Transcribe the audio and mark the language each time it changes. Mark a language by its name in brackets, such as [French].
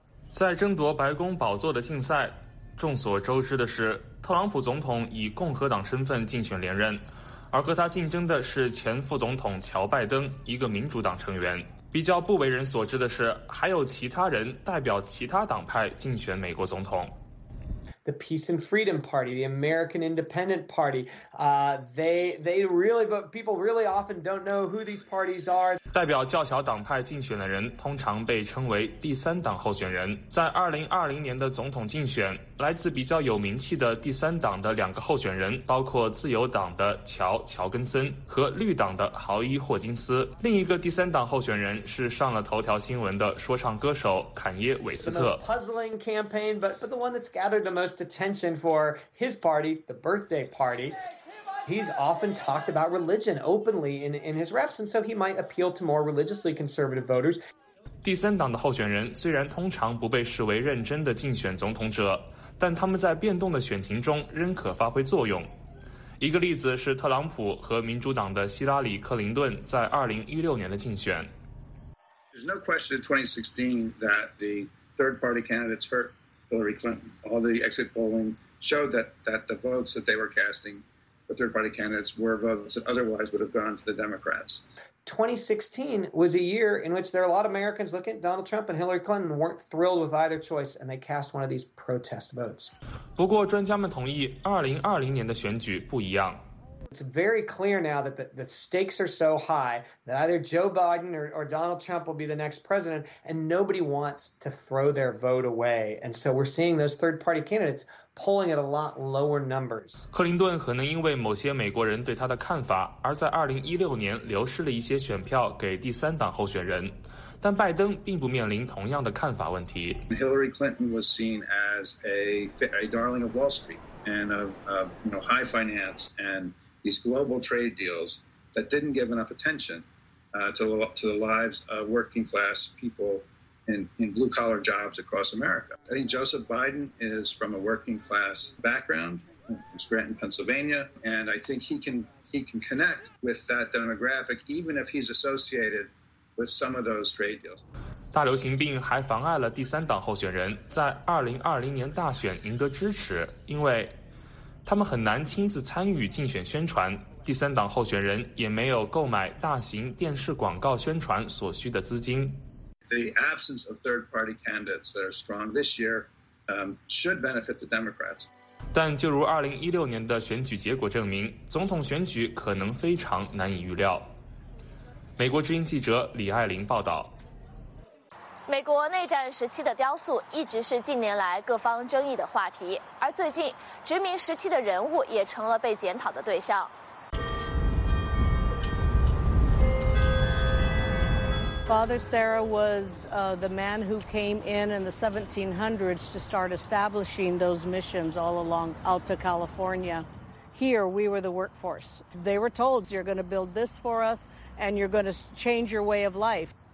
[Chinese] 在争夺白宫宝座的竞赛，众所周知的是，特朗普总统以共和党身份竞选连任，而和他竞争的是前副总统乔拜登，一个民主党成员。比较不为人所知的是，还有其他人代表其他党派竞选美国总统。 [English] The Peace and Freedom Party, the American Independent Party, they really, but people really often don't know who these parties are. [Chinese] 代表较小党派竞选的人通常被称为第三党候选人。在2020年的总统竞选，来自比较有名气的第三党的两个候选人包括自由党的乔根森和绿党的豪伊霍金斯。另一个第三党候选人是上了头条新闻的说唱歌手坎耶韦斯特。 [English] The most puzzling campaign, but the one that's gathered the most attention for his party, the birthday party. He's often talked about religion openly in his raps, and so he might appeal to more religiously conservative voters. [Chinese] 第三党的候选人虽然通常不被视为认真的竞选总统者，但他们在变动的选情中仍可发挥作用。一个例子是特朗普和民主党的希拉里·克林顿在2016年的竞选。 [English] There's no question in 2016 that the third party candidates hurt Hillary Clinton. All the exit polling showed that the votes that they were casting. The third party candidates were votes that otherwise would have gone to the Democrats. 2016 was a year in which there are a lot of Americans looking at Donald Trump and Hillary Clinton weren't thrilled with either choice and they cast one of these protest votes. [Chinese] 不过专家们同意2020年的选举不一样。 [English] It's very clear now that the stakes are so high that either Joe Biden or Donald Trump will be the next president and nobody wants to throw their vote away. And so we're seeing those third party candidates polling at a lot lower numbers. [Chinese] 克林顿可能因为某些美国人对他的看法而在2016年流失了一些选票给第三党候选人。但拜登并不面临同样的看法问题。 [English] Hillary Clinton was seen as a darling of Wall Street and of you know, high finance andthese global trade deals that didn't give enough attention to the lives of working class people in blue collar jobs across America. I think Joseph Biden is from a working class background from Scranton, Pennsylvania, and I think he can connect with that demographic even if he's associated with some of those trade deals. [Chinese] 大流行病还妨碍了第三党候选人在2020年大选赢得支持，因为他们很难亲自参与竞选宣传，第三党候选人也没有购买大型电视广告宣传所需的资金。 [English] The absence of third-party candidates that are strong this year, should benefit the Democrats. [Chinese] 但就如2016年的选举结果证明，总统选举可能非常难以预料。美国之音记者李爱玲报道。美国内战时期的雕塑一直是近年来各方争议的话题，而最近殖民时期的人物也成了被检讨的对象。 [English] Father Sarah was the man who came in the 1700s to start establishing those missions all along Alta California. Here we were the workforce. They were told you're going to build this for us and you're going to change your way of life.